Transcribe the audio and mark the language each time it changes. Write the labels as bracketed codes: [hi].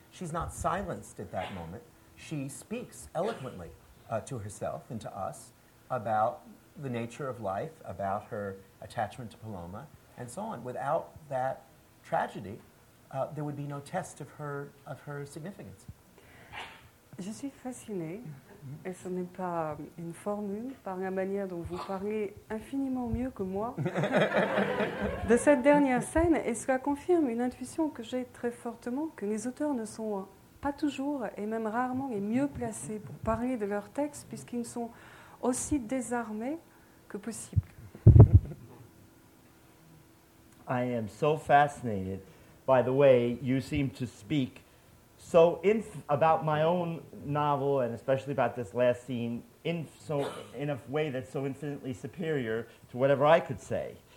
[en] She's not silenced at that moment. She speaks eloquently to herself and to us about the nature of life, about her attachment to Paloma, and so on. Without that tragedy, there would be no test of her significance. [fr] Je suis fascinée, et ce n'est pas une formule, par la manière dont vous parlez infiniment mieux que moi de cette dernière scène, et cela confirme une intuition que j'ai très fortement, que les auteurs ne sont pas toujours, et même rarement, les mieux placés pour parler de leurs textes, puisqu'ils sont aussi désarmés que possible. [en] I am so fascinated by the way you seem to speak so about my own novel, and especially about this last scene, in a way that's so infinitely superior to whatever I could say.